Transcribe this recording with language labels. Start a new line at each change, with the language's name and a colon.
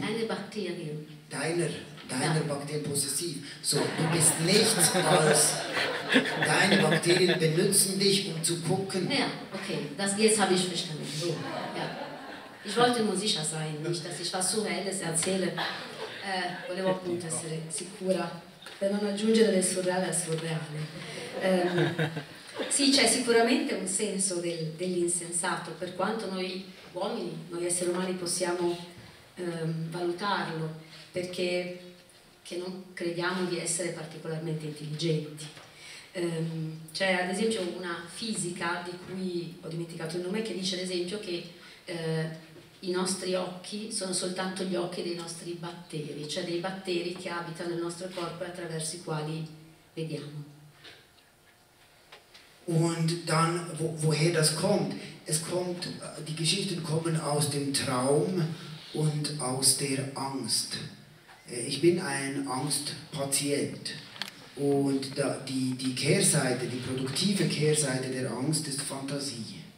German: Deine Bakterien. Deiner ja. Bakterien possessiv. So, du bist nichts als deine Bakterien benutzen dich, um zu gucken. Ja, okay, das jetzt habe ich verstanden. So. Ja. Ich wollte nur sicher sein, nicht, dass ich was Surreales erzähle.
Italian: Volevo appunto essere sicura, per non aggiungere del surreale al surreale. Sì, c'è sicuramente un senso dell'insensato, per quanto noi uomini, noi esseri umani possiamo valutarlo, perché che non crediamo di essere particolarmente intelligenti. C'è ad esempio una fisica, di cui ho dimenticato il nome, che dice ad esempio che i nostri occhi sono soltanto gli occhi dei nostri batteri, cioè dei batteri che abitano il nostro corpo e attraverso i quali vediamo.
German: Und dann, woher das kommt? Es kommt, die Geschichten kommen aus dem Traum und aus der Angst. Ich bin ein Angstpatient. Und die Kehrseite, die produktive Kehrseite der Angst ist Fantasie.